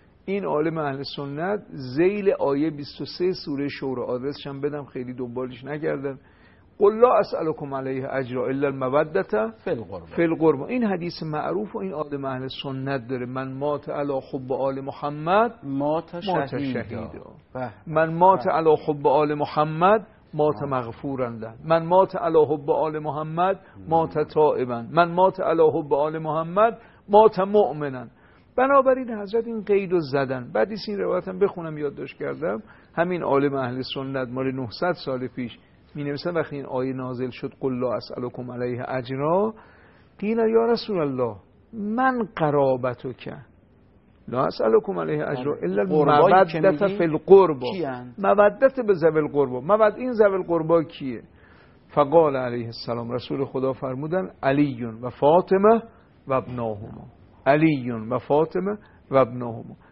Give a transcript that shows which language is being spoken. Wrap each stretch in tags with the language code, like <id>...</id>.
<fa>این عالم اهل سنت ذیل آیه 23 سوره شورا، آدرسش هم بدم خیلی دنبالش نگردن،</fa> <ar>قل لا اسالکم علیه اجرا الا الموده فی القرب،</ar> <fa>این حدیث معروف و این عالم اهل سنت داره،</fa> <ar>من مات علی حب آل محمد مات شهیدا، من مات علی حب آل محمد مات مغفورا له، من مات علی حب آل محمد مات تائبا، من مات علی حب آل محمد مات مؤمنا.</ar> <fa>بنابراین حضرت این قید رو زدن. بعد این روایت هم بخونم یادداشت کردم، همین عالم اهل سنت مال 900 سال پیش می نویسن وقتی این آیه نازل شد</fa> <ar>قل لا اسالکم علیه اجرا، قیل یا رسول الله من قرابتو</ar> <fa>که</fa> <ar>لا اسالکم علیه اجرا الا المودت فی القرب،</ar> <fa>مودت به ذوی القربا، مود این ذوی القربا کیه؟</fa> <ar>فقال علیه السلام،</ar> <fa>رسول خدا فرمودن</fa> <ar>علیون و فاطمه و ابناهما،</ar> <fa>علیون و فاطمه و ابناهما.</fa>